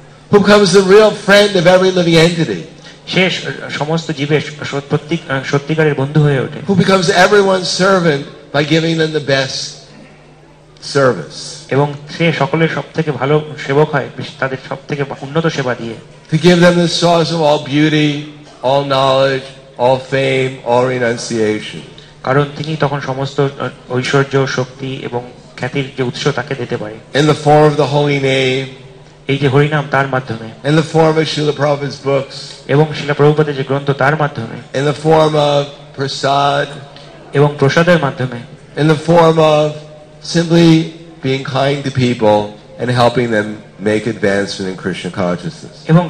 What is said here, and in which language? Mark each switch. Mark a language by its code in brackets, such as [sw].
[en] who comes the real friend of every living entity [bn] শেষ সমস্ত জীবের প্রত্যেক সত্যিকারের বন্ধু হয়ে ওঠে [en] who becomes everyone's servant by giving them the best service [bn] এবং সে সকলের সবথেকে ভালো সেবক হয় তাদের সবথেকে উন্নত সেবা দিয়ে [en] to give them the source of all beauty all knowledge all fame all renunciation [bn] কারণ তিনি তখন সমস্ত ঐশ্বর্য শক্তি এবং খ্যাতির যে উৎস তাকে দিতে পারে [en] in the form of the holy name [bn] এই যে হরি নাম তার মাধ্যমে [en] in the form of Srila Prabhupada's books [bn] এবং Srila Prabhupada's যে গ্রন্থ তার মাধ্যমে [en] in the form of prasad [bn] এবং প্রসাদের মাধ্যমে [en] in the form of simply being kind to people and helping them make advancement in Krishna consciousness.